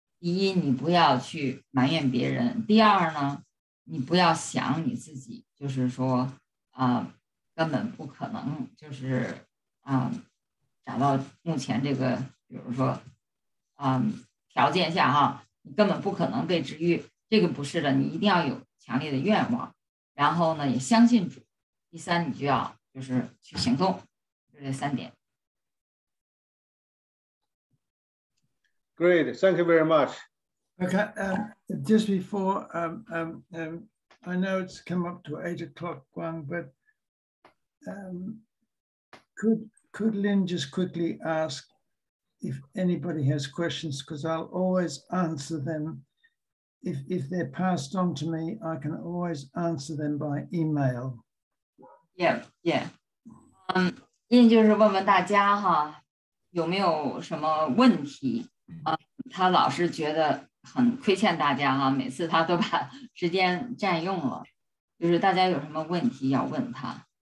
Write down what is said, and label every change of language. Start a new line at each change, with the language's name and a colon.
Chinese: 第一，你不要去埋怨别人；第二呢，你不要想你自己就是说根本不可能就是达到目前这个，比如说条件下哈，你根本不可能被治愈，这个不是的，你一定要有强烈的愿望，然后呢也相信主。第三，你就要就是去行动，就这三点。
English: Great, thank you very much. Okay, just before I know it's come up to 8 o'clock, Guang, but could Lynn just quickly ask if anybody has questions, because I'll always answer them. If they're passed on to me, I can always answer them by email. Yeah, yeah.
Chinese: 印就是问问大家哈，有没有什么问题？他老是觉得很亏欠大家哈，每次他都把时间占用了，就是大家有什么问题要问他。